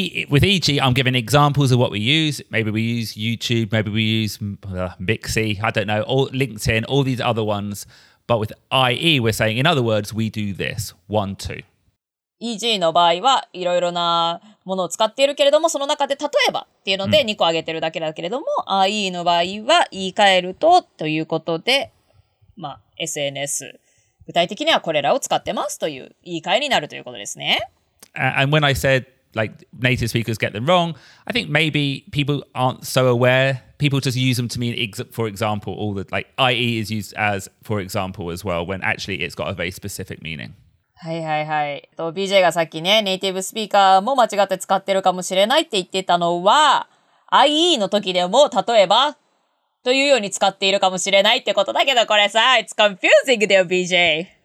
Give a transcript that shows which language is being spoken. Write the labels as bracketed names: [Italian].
[English] With EG, I'm giving examples of what we use. Maybe we use YouTube, maybe we use Mixi, I don't know, all, LinkedIn, all these other ones. But with IE, we're saying, in other words, we do this. One, two. [Japanese] EG の場合は、いろいろなものを使っているけれども、その中で例えばっていうので2個挙げてるだけだけれども、IE の場合は言い換えるとということで、まあ、SNS、具体的にはこれらを使ってますという言い換えになるということですね。 [English] And when I said,Like native speakers get them wrong. I think maybe people aren't so aware. People just use them to mean, for example, all the like IE is used as, for example, as well, when actually it's got a very specific meaning. [Japanese] はいはいはい。BJ がさっきね、ネイティブスピーカーも間違って使ってるかもしれないって言ってたのは、IE の時でも例えばというように使っているかもしれないってことだけど、これさ、 [English] it's confusing there, [Japanese] BJ.